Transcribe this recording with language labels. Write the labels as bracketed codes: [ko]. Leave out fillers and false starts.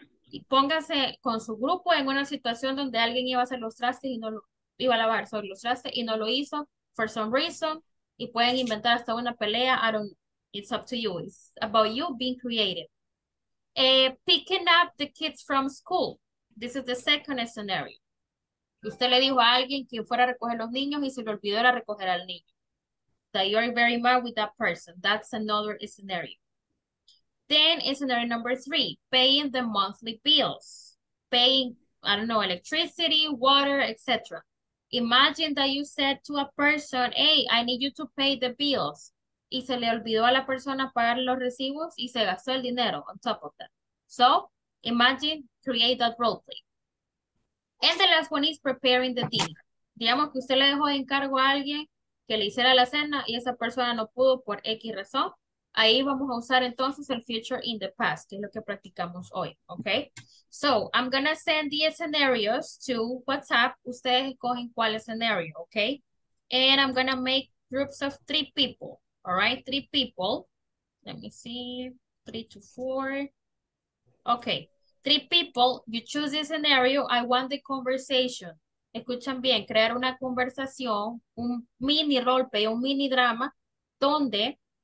[es] Y póngase con su grupo en una situación donde alguien iba a hacer los trastes y no lo iba a lavar sobre los trastes y no lo hizo [en] for some reason. [es] Y pueden inventar hasta una pelea. [en] I don't know. It's up to you. It's about you being creative. Picking up the kids from school. This is the second scenario. [es] Usted le dijo a alguien que fuera a recoger los niños y se le olvidó era recoger al niño. [en] That you are very mad with that person. That's another scenario. Then scenario number three, paying the monthly bills. Paying, I don't know, electricity, water, etc. Imagine that you said to a person, hey, I need you to pay the bills. [es] Y se le olvidó a la persona pagar los recibos y se gastó el dinero [en] on top of that. So, imagine, create that role play. And the last one is preparing the dinner. [es] Digamos que usted le dejó en cargo a alguien que le hiciera la cena y esa persona no pudo por X razón. Ahí vamos a usar entonces el [en] future in the past, [es] que es lo que practicamos hoy, okay? [en] So, I'm gonna send the scenarios to WhatsApp. [es] Ustedes escogen cuál escenario, [en] okay? And I'm gonna make groups of 3 people. All right, 3 people. Let me see, 3 to 4. Okay, 3 people, you choose the scenario, I want the conversation. [es] Escuchan bien, crear una conversación, un mini role play, un mini drama, donde